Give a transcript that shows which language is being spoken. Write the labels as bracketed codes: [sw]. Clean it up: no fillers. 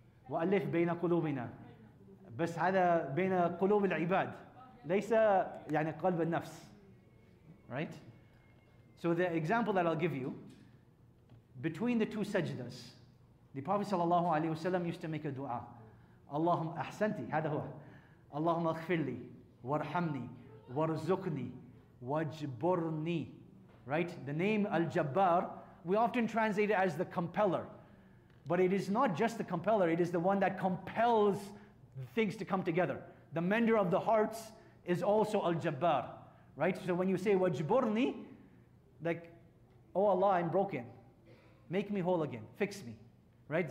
[ar] وَأَلِّفْ بَيْنَ قُلُوبِنَا بَسْ هَذَا بَيْنَ قُلُوبِ الْعِبَادِ لَيْسَ يعني قلب النفس. Right? [en] So the example that I'll give you, between the two sajdas, the Prophet sallallahu alaihi wasallam used to make a dua. [ar] اللهم أحسنتي هذا هو اللهم اغفر لي وارحمني وارزقني واجبرني. [en] Right? The name Al-Jabbar, we often translate it as the compeller. But it is not just the compeller, it is the one that compels things to come together. The mender of the hearts is also Al-Jabbar. Right? So when you say wajburni, like, oh Allah, I'm broken. Make me whole again. Fix me. Right?